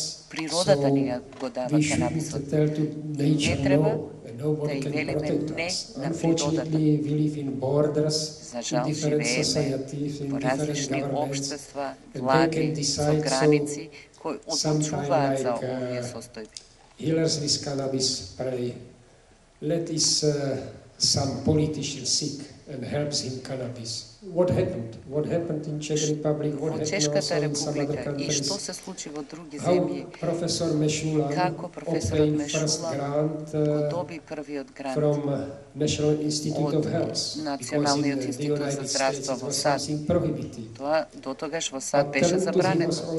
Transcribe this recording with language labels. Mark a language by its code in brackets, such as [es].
[mk] Природата ни го дава канабисот. И не треба да ја велиме не на природата. За жал живееме во различни обштества, влади, со граници, кои одлучуваат за овие состојби. [en] Healers with cannabis pray, let us some politician sick and helps him cannabis. What happened? What happened in Czech Republic? What happened in some other countries? [mk] И што се случи во други земји? [en] How Professor Meshulam [mk] како професорот Мешулам го доби првиот грант [en] from National Institute of Health, [mk] Националниот институт за здравство во САД. Тоа дотогаш во САД беше забранено.